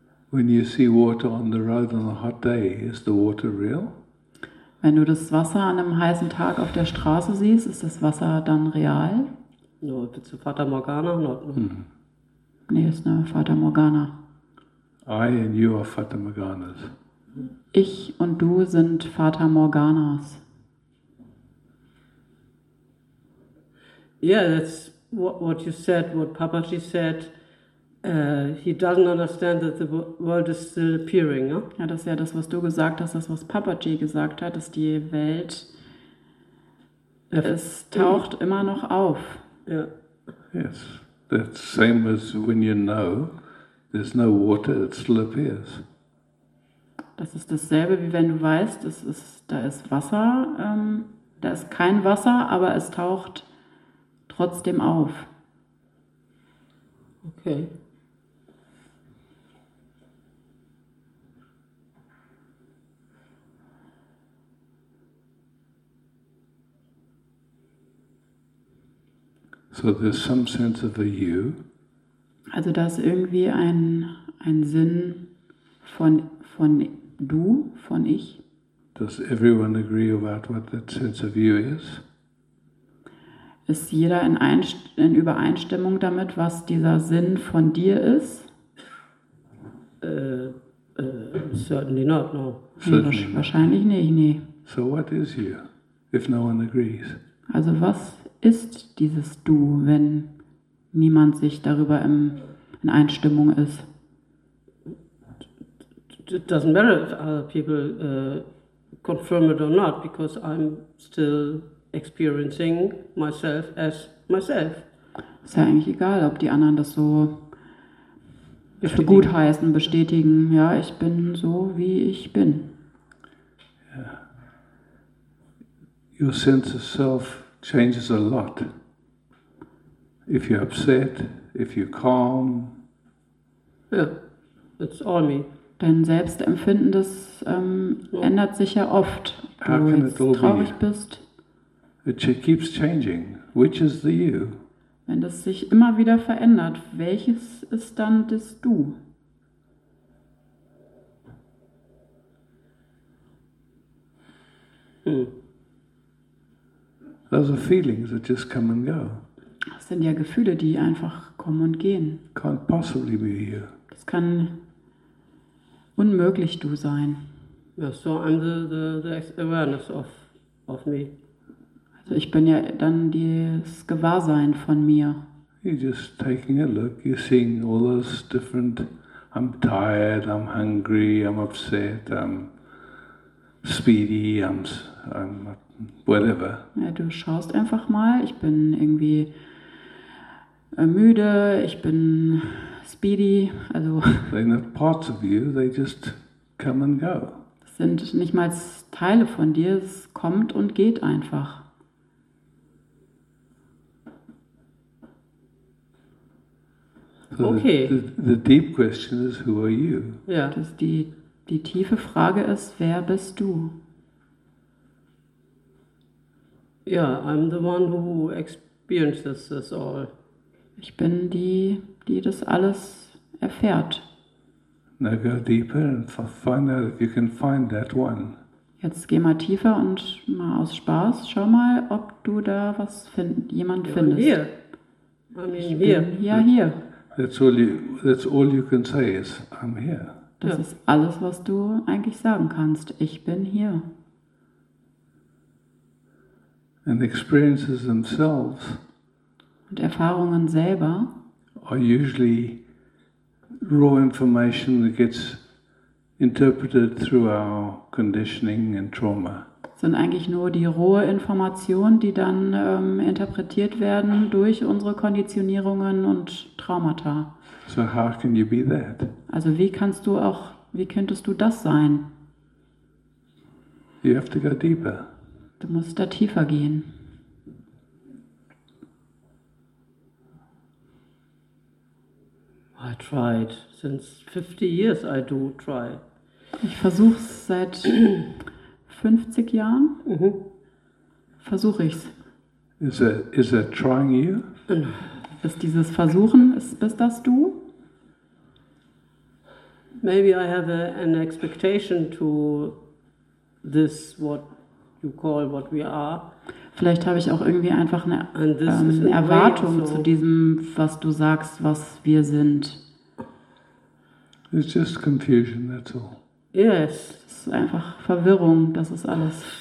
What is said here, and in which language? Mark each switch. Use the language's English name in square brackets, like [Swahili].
[English] When you see water on the road on a hot day, is the water real? [German] Wenn du das Wasser an einem heißen Tag auf der Straße siehst, ist das Wasser dann real? [English] No, if it's a Fata Morgana, not. Mm. [German] Nee, ist eine Fata Morgana. [English] I and you are Fata Morganas. [German] Ich und du sind Fata Morganas. [English] Yeah, that's what you said, what Papaji said. He doesn't understand that the world is still appearing. Huh? [German] Ja, das ist ja das, was du gesagt hast, das, was Papaji gesagt hat, dass die Welt, es taucht immer noch auf. [English] Yeah. Yes, that's same as when you know there's no water, it still appears. [German] Das ist dasselbe, wie wenn du weißt, es ist, da ist Wasser, da ist kein Wasser, aber es taucht trotzdem auf. [English] Okay. So there's some sense of a you. [German] Also da ist irgendwie ein Sinn von du, von ich. [English] Does everyone agree about what that sense of you is? [German] Ist jeder in Übereinstimmung damit, was dieser Sinn von dir ist? [English] Certainly not, no. [German] Wahrscheinlich nicht, nee. [English] So what is you, if no one agrees? [German] Also was ist dieses Du, wenn niemand sich darüber in Einstimmung ist? [English] It doesn't matter if other people confirm it or not, because I'm still experiencing myself as myself. [German] Ist ja eigentlich egal, ob die anderen das so gutheißen, bestätigen. Ja, ich bin so, wie ich bin. [English] Yeah. Your sense of self changes a lot. If you're upset, if you're calm. Yeah, it's all me. [German] Dein Selbstempfinden, das ändert sich ja oft. [English] How [German] du [English] can [German] jetzt [English] it all [German] traurig [English] be? [German] Bist. [English] It keeps changing. Which is the you? [German] Wenn das sich immer wieder verändert, welches ist dann das Du? [English] Those are feelings that just come and go. [German] Das sind ja Gefühle, die einfach kommen und gehen. [English] Can't possibly be you. [German] Das kann unmöglich du sein. [English] Yeah, so I'm the awareness of me. [German] Also ich bin ja dann das Gewahrsein von mir. [English] You're just taking a look, you're seeing all those different, I'm tired, I'm hungry, I'm upset, I'm speedy, I'm whatever. [German] Ja, du schaust einfach mal, ich bin irgendwie müde, ich bin speedy, also. [English] They're not parts of you, they just come and go. [German] Das sind nicht mal Teile von dir, es kommt und geht einfach. [English] So okay. The deep question is, who are you? [German] Ja. Das die tiefe Frage ist, wer bist du? [English] Ja, yeah, I'm the one who experiences this all. [German] Ich bin die das alles erfährt. [English] Now go deeper and find out if you can find that one. [German] Jetzt geh mal tiefer und mal aus Spaß, schau mal, ob du da was jemand findest. [English] Here. I mean, [German] ich [English] here. [German] Bin ja hier. [English] That's all you can say is, I'm here. [German] Das ist alles, was du eigentlich sagen kannst. Ich bin hier. [English] And experiences themselves. [German] Und Erfahrungen selber. [English] Are usually raw information that gets interpreted through our conditioning and trauma. [German] Sind eigentlich nur die rohe Information, die dann interpretiert werden durch unsere Konditionierungen und Traumata. [English] So how can you be that? [German] Also wie könntest du das sein? [English] You have to go deeper. [German] Du musst da tiefer gehen. [English] I tried. Since 50 years I do try. [German] Ich versuche es seit 50 Jahren. Mm-hmm. Versuche ich es. [English] Is it trying you? [German] Ist dieses Versuchen, bist das du? [English] Maybe I have an expectation to this, what you call what we are. [German] Vielleicht habe ich auch irgendwie einfach eine Erwartung zu diesem, was du sagst, was wir sind. [English] It's just confusion, that's all. Yes. [German] Es ist einfach Verwirrung, das ist alles.